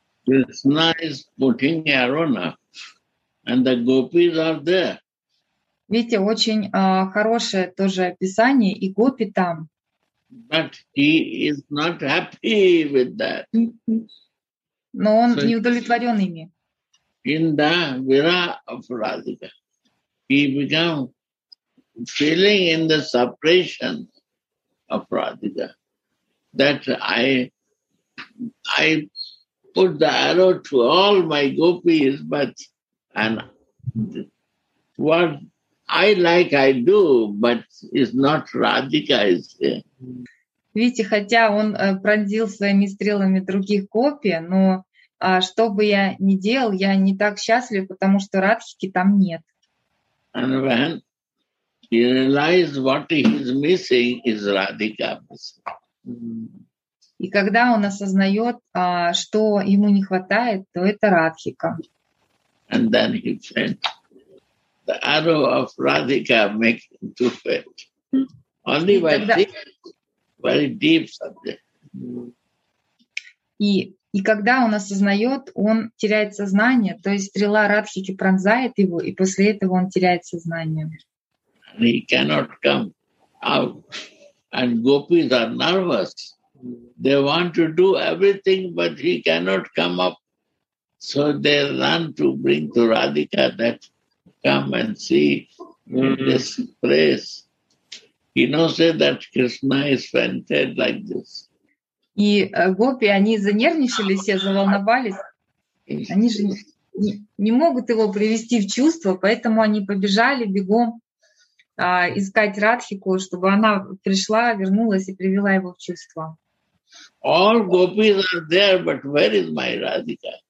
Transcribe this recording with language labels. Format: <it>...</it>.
<en>It's nice putting Arjuna, and the gopis are there.</en> <ru>Видите, очень хорошее тоже описание, и гопи там.</ru> <en>But he is not happy with that.</en> <ru>Но он не удовлетворен ими.</ru> <en>In the vira of Radhika, he became feeling in the separation of Radhika that I put the arrow to all my gopis, but and what I like I do, but it's not Radhika is there.</en> <ru>Видите, хотя он пронзил своими стрелами других гопи, но что бы я ни делал, я не так счастлив, потому что Радхики там нет.</ru> <en>And when he realized what he is missing is Radhika.</en> <ru>И когда он осознает, что ему не хватает, то это Радхика.</ru> <en>And then he felt the arrow of Radhika make him to fail. Only by this. Very deep subject.</en> <ru>И когда он осознает, он теряет сознание, то есть стрела Радхики пронзает его, и после этого он теряет сознание.</ru> <en>And he cannot come out. And gopis are nervous. They want to do everything, but he cannot come up. So they run to bring to Radhika that come and see this place. He knows that Krishna is fainted like this.</en> <ru>И гопи, они занервничали все, заволновались. Они же не могут его привести в чувство, поэтому они побежали бегом искать Радхику, чтобы она пришла, вернулась и привела его в чувство.</ru> <en>All gopis are there, but where is my Radhika?</en>